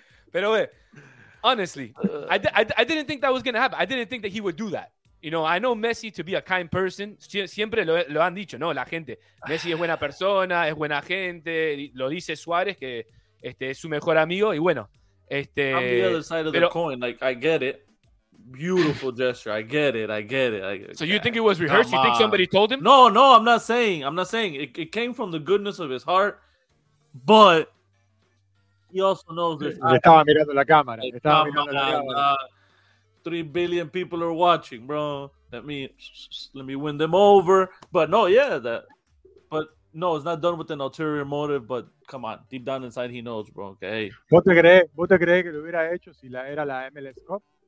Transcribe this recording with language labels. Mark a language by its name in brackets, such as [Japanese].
[English] Pero, honestly, I didn't think that was going to happen. I didn't think that he would do that. You know, I know Messi to be a kind person. [Spanish] Siempre lo han dicho, ¿no? La gente. Messi es buena persona, es buena gente. Lo dice Suárez, que es su mejor amigo. Y bueno, [English] I'm the other side of the coin. Like, I get it. Beautiful gesture. I get it. So you think it was rehearsed? You think somebody told him? No, I'm not saying. It came from the goodness of his heart, but he also knows this. [Spanish] Estaba mirando la cámara. Estaba mirando la cámara. [English] 3 billion people are watching, bro. Let me win them over. But no, yeah. But it's not done with an ulterior motive, but come on. Deep down inside, he knows, bro. Okay. [Spanish] ¿Vos te crees que lo hubiera hecho si era la MLS Cup?